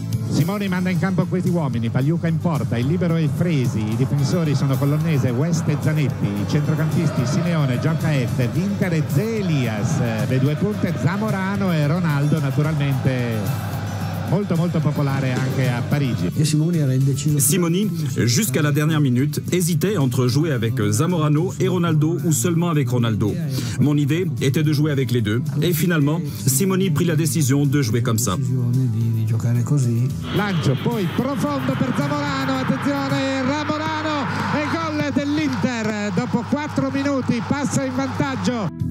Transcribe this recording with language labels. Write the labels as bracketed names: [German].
[Italian] Simone manda in campo questi uomini, Pagliuca in porta, il libero è Fresi, i difensori sono Colonnese, West e Zanetti, i centrocampisti Simeone, Gianca F, Winter e Zé Elias, le due punte Zamorano e Ronaldo naturalmente... Molto, molto popolare anche à Parigi. [French] Simone, jusqu'à la dernière minute, hésitait entre jouer avec Zamorano et Ronaldo ou seulement avec Ronaldo. Mon idée était de jouer avec les deux. Et finalement, Simone prit la décision de jouer comme ça. [Italian] Lancio, poi profondo per Zamorano. Attenzione, Ramorano. E gol dell'Inter. Dopo 4 minuti, passa in vantaggio.